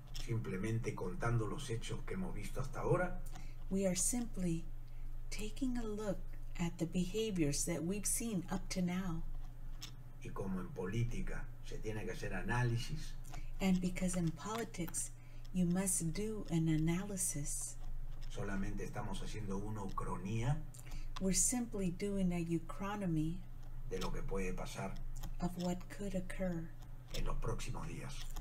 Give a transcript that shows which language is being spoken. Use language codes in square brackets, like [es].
[es] Simplemente contando los hechos que hemos visto hasta ahora. [en] We are simply taking a look at the behaviors that we've seen up to now. [es] Y como en política se tiene que hacer análisis. [en] And because in politics you must do an analysis. [es] Solamente estamos haciendo una ucronía. [en] We're simply doing a uchronomy. [es] De lo que puede pasar. [en] Of what could occur. [es] En los próximos días.